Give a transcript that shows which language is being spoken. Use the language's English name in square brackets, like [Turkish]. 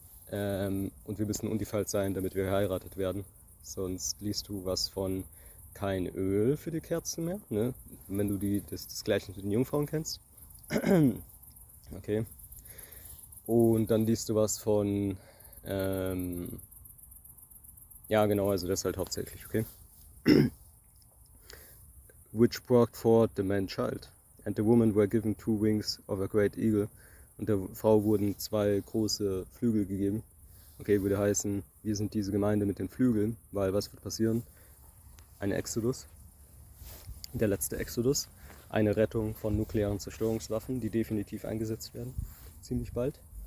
[German] Und wir müssen undefiled sein, damit wir geheiratet werden. Sonst liest du was von kein Öl für die Kerzen mehr, ne? Wenn du das Gleiche mit den Jungfrauen kennst. Okay. Und dann liest du was von, ja genau, also das halt hauptsächlich, okay. [English] Which brought forth the man child. And the woman were given two wings of a great eagle. [German] Und der Frau wurden zwei große Flügel gegeben. Okay, würde heißen, wir sind diese Gemeinde mit den Flügeln, weil was wird passieren? Ein Exodus, der letzte Exodus, eine Rettung von nuklearen Zerstörungswaffen, die definitiv eingesetzt werden, ziemlich bald.